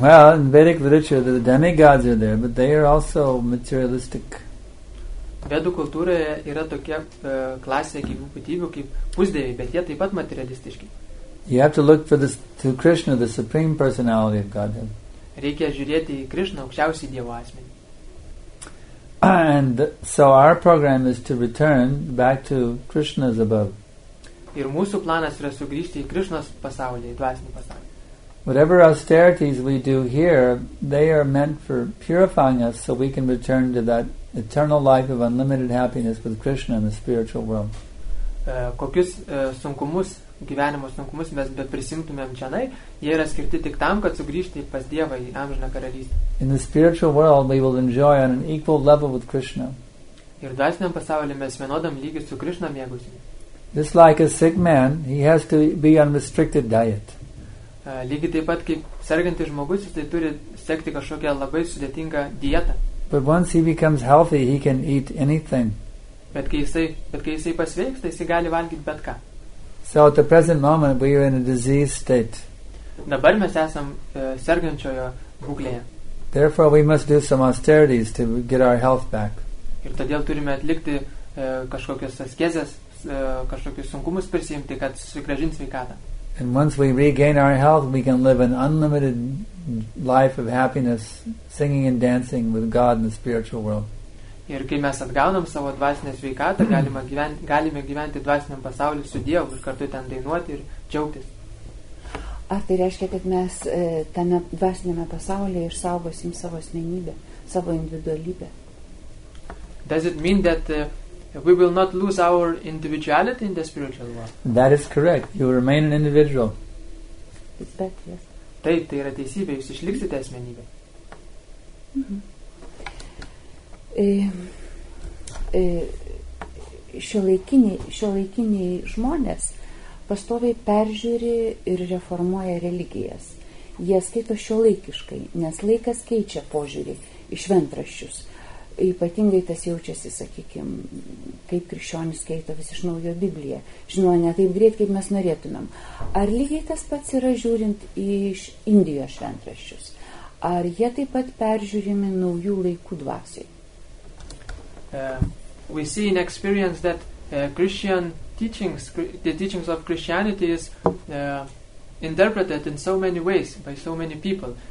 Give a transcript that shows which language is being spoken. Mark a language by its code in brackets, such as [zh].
[en] Well, in Vedic literature the demigods are there, but they are also materialistic. [lt] Vedų kultūroje yra tokia klasė gyvų būtybių kaip pusdieviai, bet jie taip pat materialistiški. [en] You have to look for this, to Krishna, the supreme personality of Godhead. [lt] Reikia žiūrėti į Krishna, aukščiausiai dievo asmenį. [en] And so our program is to return back to Krishna's above. [lt] Ir mūsų planas yra sugrįžti į Krishnos pasaulį, į dvasinį pasaulį. [en] Whatever austerities we do here, they are meant for purifying us so we can return to that eternal life of unlimited happiness with Krishna in the spiritual world. [lt] Kokius sunkumus, gyvenimo sunkumus mes beprisimtumėm čianai, jie yra skirti tik tam, kad sugrįžti pas Dievą į amžiną karalystę. [en] In the spiritual world we will enjoy on an equal level with Krishna. [lt] Ir dvasiniam pasaulyje mes vienodam lygiu su Krishna mėgausim. [en] Just like a sick man, he has to be on restricted diet. [lt] Lygiai taip pat kaip sergantis žmogus, jis tai turi sekti kažkokią labai sudėtingą dietą. [en] But once he becomes healthy, he can eat anything. [lt] Bet kai jisai pasveiks, tai jisai gali valgyti bet ką. [en] So at the present moment, we are in a disease state. [lt] Dabar mes esam sergančiojo būklėje. [en] Therefore, we must do some austerities to get our health back. [lt] Ir todėl turime atlikti kažkokias askezes, kažkokius sunkumus prisimti, kad susigražinti sveikatą. [en] And once we regain our health, we can live an unlimited life of happiness, singing and dancing with God in the spiritual world. [lt] Ir kai mes atgaunam savo dvasinę sveikatą, galime gyventi dvasiniam pasaulyje su Dievu ir kartu ten dainuoti ir džiaugtis. Ar tai reiškia, kad mes tame dvasiniame pasaulyje išsaugosim savo asmenybę, savo individualybę? [en] Does it mean that we will not lose our individuality in the spiritual world. That is correct. You remain an individual. It's better, yes. [lt] Taip, tai yra teisybė, jūs išliksite asmenybė. Šiuolaikiniai žmonės pastoviai peržiūri ir reformuoja religijas. Jie skaito šiuolaikiškai, nes laikas keičia požiūrį į šventraščius. Ypatingai tas jaučiasi, sakykim, kaip krikščionis skaito vis iš naujo Bibliją. Žinoma, ne taip greit, kaip mes norėtumėm. Ar lygiai tas pats yra žiūrint iš Indijos šventraščius? Ar jie taip pat peržiūrimi naujų laikų dvasiai? [en] We see in experience that Christian teachings, the teachings of Christianity is interpreted in so many ways by so many people.